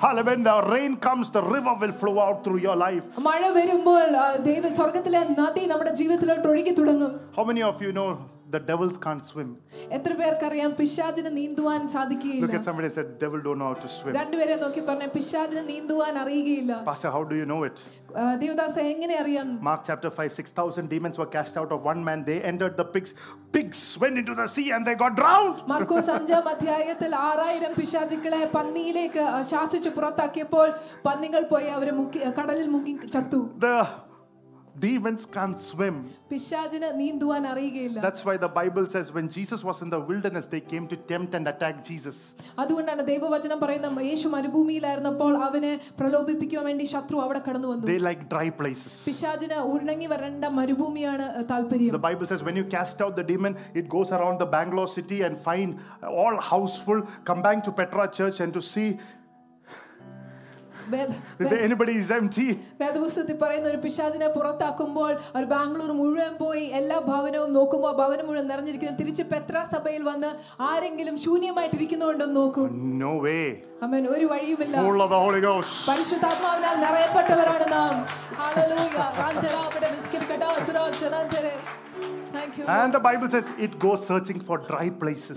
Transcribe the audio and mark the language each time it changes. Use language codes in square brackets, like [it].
[en] When the rain comes, the river will flow out through your life. [ml] മഴ വരുമ്പോൾ ദൈവ സ്വർഗ്ഗത്തിലെ നദി നമ്മുടെ ജീവിതത്തിലോട്ട് ഒഴുകി തുടങ്ങും. [en] How many of you know the devils can't swim? [ml] എത്ര പേർക്ക് അറിയാം പിശാചിന് നീന്തുവാൻ സാധിക്കില്ല? [en] Look at somebody said devil don't know how to swim. [ml] രണ്ട് പേരെ നോക്കി പറഞ്ഞു പിശാചിന് നീന്തുവാൻ അറിയില്ല. [en] Pastor, how do you know it? [ml] ദേവദാസേ എങ്ങനെ അറിയാം? [en] Mark chapter 5 6000 demons were cast out of one man. They entered the pigs went into the sea and they got drowned. [ml] Markose 5-ാം അധ്യായത്തിൽ 6000 പിശാചികളെ പന്നിയിലേക്ക് ശാസിച്ചു പുറത്താക്കിയപ്പോൾ പന്നികൾ പോയി അവരെ കടലിൽ മുങ്ങി ചത്തു. [en] Demons can't swim. [ml] പിശാചിന് നീന്തുവാൻ അറിയില്ല. [en] That's why the Bible says when Jesus was in the wilderness they came to tempt and attack Jesus. [ml] അതുകൊണ്ടാണ് ദൈവവചനം പറയുന്നത് യേശു മരുഭൂമിയിലായിരുന്നപ്പോൾ അവനെ പ്രലോഭിപ്പിക്കാൻ വേണ്ടി ശത്രു അവിടെ കടന്നു വന്നു. [en] They like dry places. [ml] പിശാചിന് ഉണങ്ങി വരണ്ട മരുഭൂമിയാണ് താല്പര്യം. [en] The Bible says when you cast out the demon it goes around the Bangalore city and find all houseful come back to Petra church and to see If anybody is empty. [ml] വേദപുസ്തകത്തിൽ പറയുന്ന ഒരു പിശാചിനെ പുറത്താക്കുമ്പോൾ ഒരു ബാംഗ്ലൂർ മുഴുവൻ പോയി എല്ലാ ഭവനവും നോക്കുമ്പോൾ ഭവനം മുഴുവൻ നിറഞ്ഞിരിക്കുന്നു. തിരിച്ച് പെത്ര സഭയിൽ വന്ന് ആരെങ്കിലും ശൂന്യമായിട്ട് ഇരിക്കുന്നുണ്ടോ നോക്കും. [en] No way. [ml] Amen. ഒരു വഴിയുമില്ല. [en] Full of the Holy Ghost. [ml] പരിശുദ്ധാത്മാവിനാൽ നിറയപ്പെട്ടവരാണ് നാം. Hallelujah. കാന്തര അവിടെ വിസ്കരിക്കട്ടോ അത്രോ ജനന്തരേ. [en] Thank you. And the Bible says it goes searching for dry places.